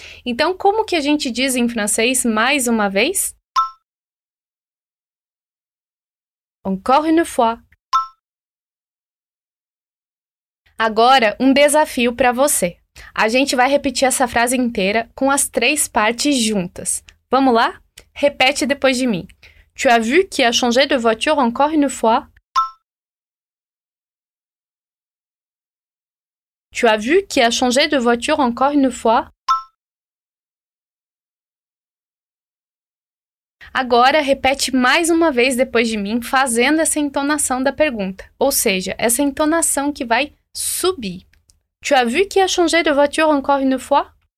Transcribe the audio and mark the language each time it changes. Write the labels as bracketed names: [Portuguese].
[Portuguese] Então, como que a gente diz em francês mais uma vez? [French] Encore une fois. [Portuguese] Agora, um desafio para você. A gente vai repetir essa frase inteira com as três partes juntas. Vamos lá? Repete depois de mim. [French] Tu as vu qu'il a changé de voiture encore une fois? Tu as vu qu'il a changé de voiture encore une fois? [Portuguese] Agora, repete mais uma vez depois de mim, fazendo essa entonação da pergunta. Ou seja, essa entonação que vai subir. [French] Tu as vu qu'il a changé de voiture encore une fois?